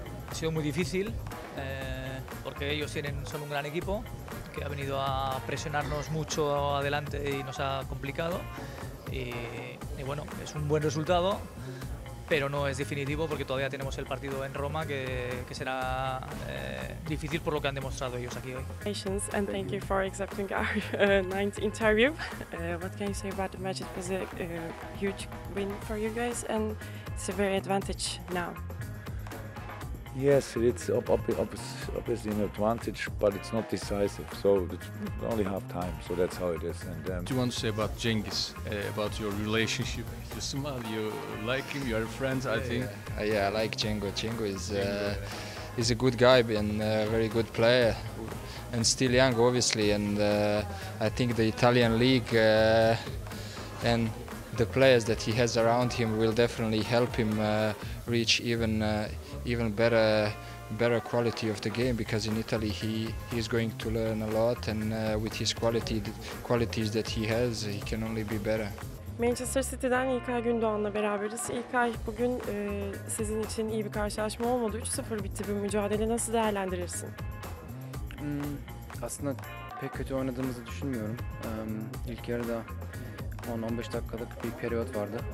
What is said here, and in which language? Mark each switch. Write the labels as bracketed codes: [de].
[es] Ha sido muy difícil, porque ellos son un gran equipo que ha venido a presionarnos mucho adelante y nos ha complicado. Y bueno, es un buen resultado, pero no es definitivo porque todavía tenemos el partido en Roma que será difícil por lo que han demostrado ellos aquí hoy. [en] Congratulations and thank you for accepting our ninth interview. What can you say about the match? It was a huge win for you guys and it's a very advantage now. Yes, it's obviously an advantage, but it's not decisive. So it's only half time. So that's how it is. And do you want to say about Cengiz, about your relationship? You smile, you like him, you are friends, yeah, I think. Yeah. Yeah, I like Cengo. Cengo is he's a good guy and a very good player. And still young, obviously. And I think the Italian league and the players that he has around him will definitely help him reach even even better quality of the game, because in Italy he is going to learn a lot, and with his qualities that he has, he can only be better. [tr] Manchester City'den İlkay Gündoğan'la beraberiz. İlkay, bugün sizin için iyi bir karşılaşma olmadı. 3-0 bitti bu mücadele. Nasıl değerlendirirsin? Aslında pek kötü oynadığımızı düşünmüyorum. İlk yarıda 10-15 dakikalık bir periyot vardı.